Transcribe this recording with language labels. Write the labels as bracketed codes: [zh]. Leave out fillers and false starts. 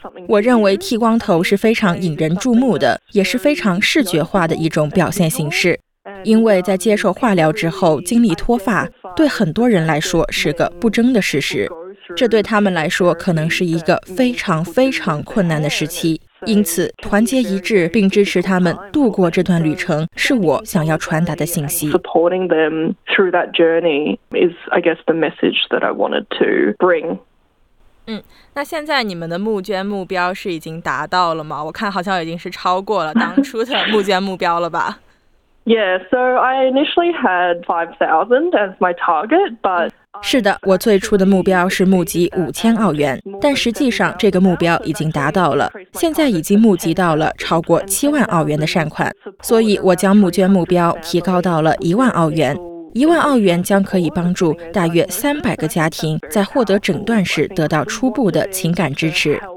[zh] 我认为剃光头是非常引人注目的，也是非常视觉化的一种表现形式，因为在接受化疗之后经历脱发，对很多人来说是个不争的事实，这对他们来说可能是一个非常非常困难的时期，因此团结一致并支持他们度过这段旅程是我想要传达的信息。 [en] Supporting them through that journey is, I guess, the message that I wanted to bring. [zh] 那现在你们的募捐目标是已经达到了吗？我看好像已经是超过了当初的募捐目标了吧。 [en] Yeah, so I initially had 5,000 as my target, but [zh] 是的，我最初的目标是募集5,000澳元，但实际上这个目标已经达到了，现在已经募集到了超过70,000澳元的善款，所以我将募捐目标提高到了10,000澳元。 10,000澳元将可以帮助大约300个家庭在获得诊断时得到初步的情感支持。